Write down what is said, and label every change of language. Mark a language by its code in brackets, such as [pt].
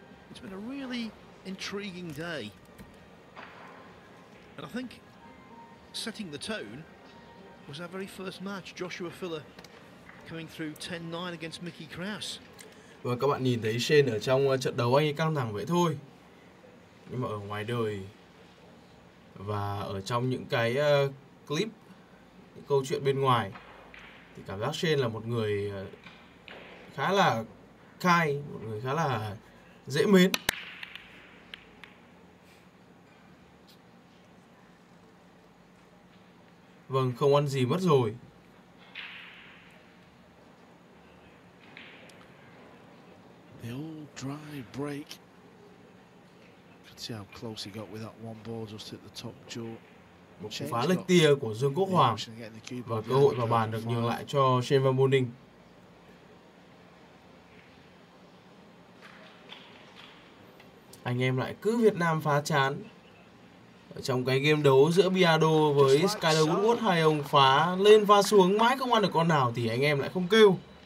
[en] It's been a really intriguing day. And I think setting the tone was our very first match. Joshua Filler coming through 10-9 against Mickey Krause. [vi] Vâng, các bạn nhìn thấy Shane ở trong trận đấu anh ấy căng thẳng vậy thôi. Nhưng mà ở ngoài đời và ở trong những cái clip, những câu chuyện bên ngoài thì cảm giác Shane là một người khá là kind, một người khá là dễ mến. Vâng, không ăn gì mất rồi. [en] The old dry break. See how close he got with that one ball just at the top jaw. [vi] Một cú phá lệch tia của Dương Quốc Hoàng và cơ hội vào bàn được nhường lại cho Shane Van Berning. Anh em lại cứ Việt Nam phá chán. Ở trong cái game đấu giữa Biado với Skyler Woodward, hai ông phá lên và xuống mãi không ăn được con nào thì anh em lại không kêu.